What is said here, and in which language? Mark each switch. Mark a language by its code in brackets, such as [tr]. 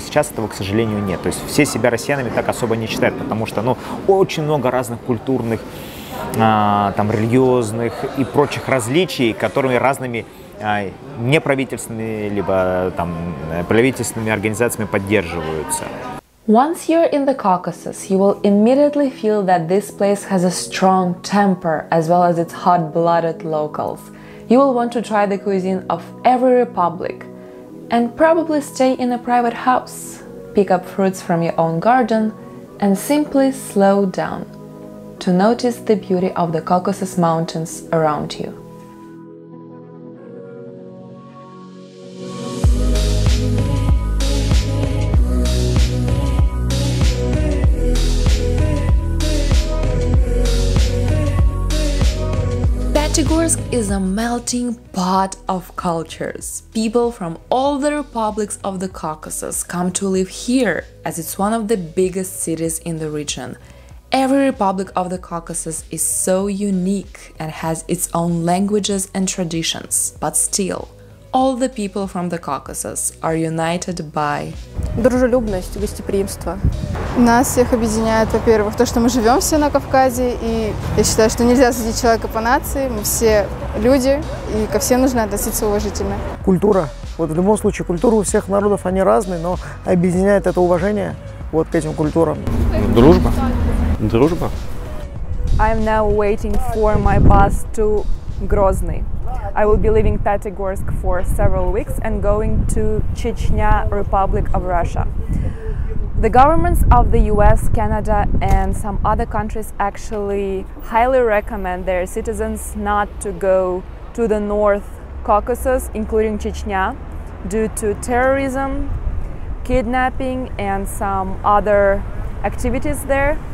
[ru] Сейчас этого, к сожалению, нет. То есть все себя россиянами так особо не считают, потому что, ну, очень много разных культурных, там, религиозных и прочих различий, которыми разными неправительственными, либо там, правительственными организациями поддерживаются. [en] Once you're in the Caucasus, you will immediately feel that this place has a strong temper as well as its hot-blooded locals. You will want to try the cuisine of every republic and probably stay in a private house, pick up fruits from your own garden, and simply slow down to notice the beauty of the Caucasus mountains around you. Pyatigorsk is a melting pot of cultures. People from all the republics of the Caucasus come to live here, as it's one of the biggest cities in the region. Every republic of the Caucasus is so unique and has its own languages and traditions, but still, all the people from the Caucasus are united by [ru] дружелюбность, гостеприимство. Нас всех объединяет, во-первых, то, что мы живем все на Кавказе, и я считаю, что нельзя судить человека по нации, мы все люди, и ко всем нужно относиться уважительно. Культура. Вот в любом случае, культура у всех народов, они разные, но объединяет это уважение вот к этим культурам. Дружба. Дружба. [en] I'm now waiting for my bus to Grozny. I will be leaving Pyatigorsk for several weeks and going to Chechnya, Republic of Russia. The governments of the US, Canada and some other countries actually highly recommend their citizens not to go to the North Caucasus, including Chechnya, due to terrorism, kidnapping and some other activities there.